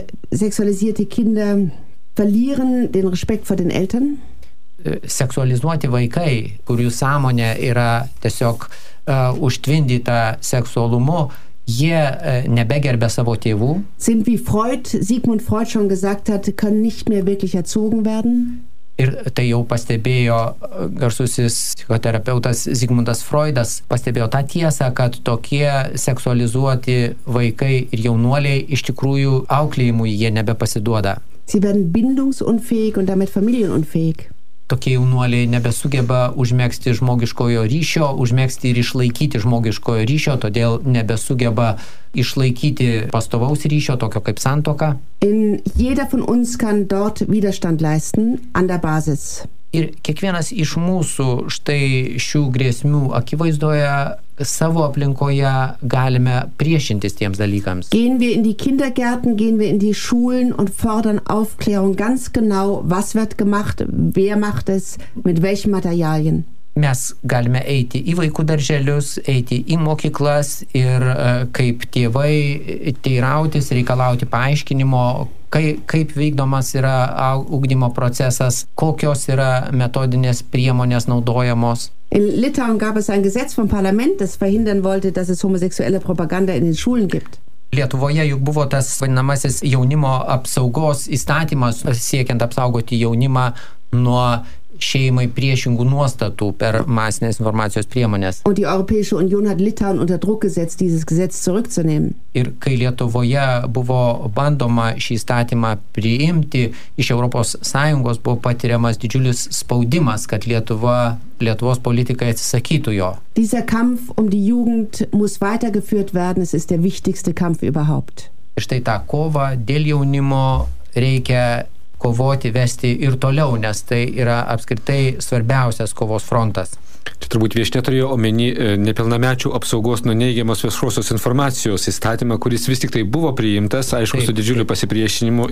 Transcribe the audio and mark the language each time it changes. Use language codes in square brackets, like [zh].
[de] Sexualisierte Kinder verlieren den Respekt vor den Eltern. [lt] Seksualizuoti vaikai, kurių sąmonė yra tiesiog užtvindyta seksualumu, jie nebegerbia savo tėvų. [de] Sind wie Sigmund Freud schon gesagt hat, können nicht mehr wirklich erzogen werden. [lt] Ir tai jau pastebėjo garsusis psichoterapeutas Sigmundas Freudas, pastebėjo tą tiesą, kad tokie seksualizuoti vaikai ir jaunuoliai iš tikrųjų auklėjimui jie nebepasiduoda. [de] Sie werden bindungsunfähig und damit familienunfähig. [lt] Tokie jaunuoliai nebesugeba užmėgsti žmogiškojo ryšio, užmėgsti ir išlaikyti žmogiškojo ryšio, todėl nebesugeba išlaikyti pastovaus ryšio, tokio kaip santoka. [de] Jeder von uns kann dort Widerstand leisten an der Basis. [lt] Ir kiekvienas iš mūsų štai šių grėsmių akivaizdoje savo aplinkoje galime priešintis tiems dalykams. [de] Gehen wir in die Kindergärten, gehen wir in die Schulen und fordern Aufklärung ganz genau, was wird gemacht, wer macht es, mit welchen Materialien. [lt] Mes galime eiti į vaikų darželius, eiti į mokyklas ir kaip tėvai teirautis, reikalauti paaiškinimo, kaip vykdomas yra ugdymo procesas, kokios yra metodinės priemonės naudojamos. [de] In Litauen gab es ein Gesetz vom Parlament, das verhindern wollte, dass es homoseksuelle Propaganda in den Schulen gibt. [lt] Lietuvoje juk buvo tas vadinamasis jaunimo apsaugos įstatymas, siekiant apsaugoti jaunimą nuo šeimai priešingų nuostatų per masinės informacijos priemonės. [de] Und die Europäische Union hat Litauen unter Druck gesetzt, dieses Gesetz zurückzunehmen. [lt] Ir kai Lietuvoje buvo bandoma šį įstatymą priimti, iš Europos Sąjungos buvo patiriamas didžiulis spaudimas, kad Lietuvos politikai atsisakytų jo. [de] Dieser Kampf um die Jugend muss weitergeführt werden, es ist der wichtigste Kampf überhaupt. [lt] Štai tą kovą dėl jaunimo reikia kovoti, vesti ir toliau, nes tai yra apskritai svarbiausias kovos frontas. Čia turbūt viešnė turėjo omeny nepilnamečių apsaugos nuo neigiamos viešosios informacijos įstatymą, kuris vis tik tai buvo priimtas, aišku, su didžiuliu pasipriešinimu.